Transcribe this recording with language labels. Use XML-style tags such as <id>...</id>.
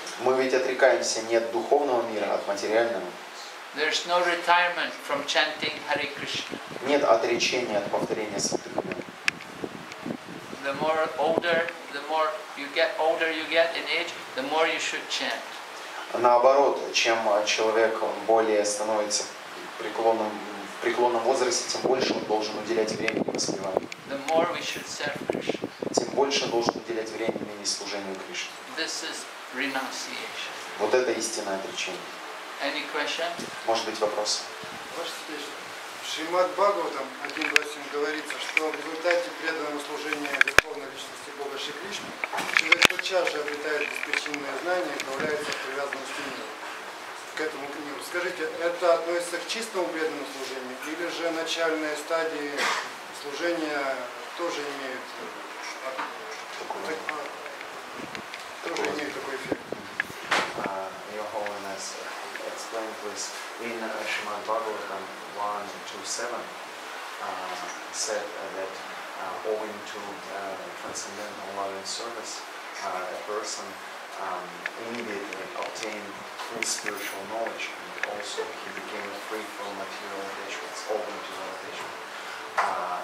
<ru>Мы ведь отрекаемся не от духовного мира, а от материального.</ru> <en>There is no retirement from chanting Hare Krishna.</en> <ru>Нет отречения от повторения святых имен.</ru> <en>The more older, the more you get older you get in age, the more you should chant.</en> <ru>Наоборот, чем человек более становится преклонным в преклонном возрасте, тем больше он должен уделять времени воспеванию.</ru> <en>The more we should serve Krishna.</en> <ru>Тем больше должен уделять времени служению Кришне.</ru> <en>This is renunciation.</en> <ru>Вот это истинное отречение.</ru> <en>Any question?</en> <ru>Может быть вопросы? В Шримад-Бхагаватам 1.8 говорится, что в результате преданного служения Верховной Личности Бога Шри Кришны, человек тотчас же обретает беспричинное знание и управляется привязанностью мира. К этому книгу. Скажите, это относится к чистому преданному служению или же начальные стадии служения тоже имеют такой эффект?</ru> <en>Your Holiness explained this in Srimad Bhagavatam 1.2.7 said that owing to transcendental loving service a person immediately obtained full spiritual knowledge and also he became free from material attachments, open to the meditation.</en>